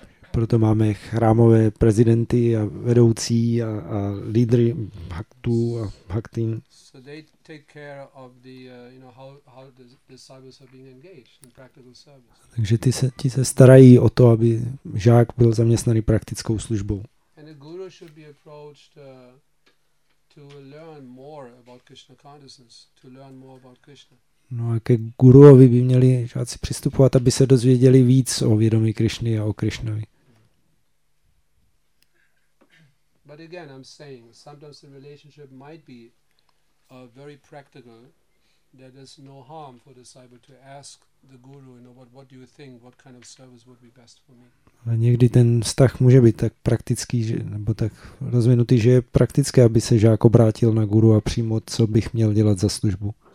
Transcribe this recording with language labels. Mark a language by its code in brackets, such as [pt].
[cs] Proto máme chrámové prezidenty a vedoucí a lídry bhaktů a bhaktin. [en] So they take care of the you know how the disciples are being engaged in practical service. [cs] Takže ti se starají o to, aby žák byl zaměstnaný praktickou službou. [en] And the guru should be approached to learn more about Krishna consciousness, to learn more about Krishna. [cs] No a ke guruovi by měli žáci přistupovat, aby se dozvěděli víc o vědomí Krišny a o Krišnovi. [en] But again, I'm saying, sometimes the relationship might be very practical, that there's no harm for the disciple to ask the guru, you know, what do you think, what kind of service would be best for me. [cs] Ale někdy ten vztah může být tak praktický, že, nebo tak rozvinutý, že je praktické, aby se žák obrátil na guru a přímo, co bych měl dělat za službu.